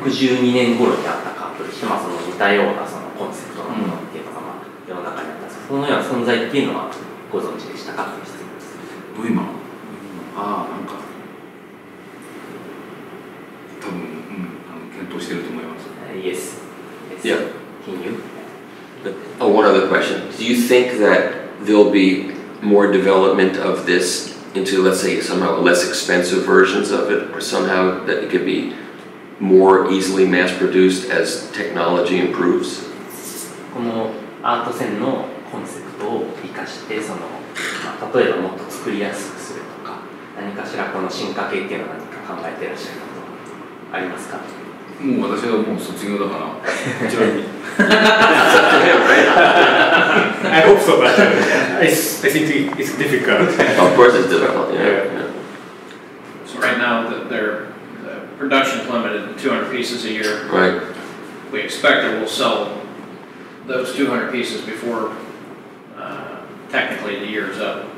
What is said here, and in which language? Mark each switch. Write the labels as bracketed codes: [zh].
[ja] 62年頃にあったカートリッジ、まあその似たようなそのコンセプトのものっていうのが、まあ、世の中にあった。そのような存在っていうのはご存知でしたか？ノイマン。ああ、なんか多分、うん、検討していると思います。 [en] Yes. Yes. Yeah. Can you? Oh, one other question. Do you think that there'll be more development of this into, let's say, somehow less expensive versions of it, or somehow that it could be more easily mass-produced as technology improves? [ja] このアート線のコンセプトを生かして、その、まあ、例えばもっと作りやすくする。何かしらこの進化系っていうのは何か考えていらっしゃるかとありますか？もう私はもう卒業だからちなみに [en] I hope so, but I think it's difficult. Of course it's difficult, yeah. So right now the production is limited to 200 pieces a year. Right. We expect that we'll sell those 200 pieces before technically the year is up.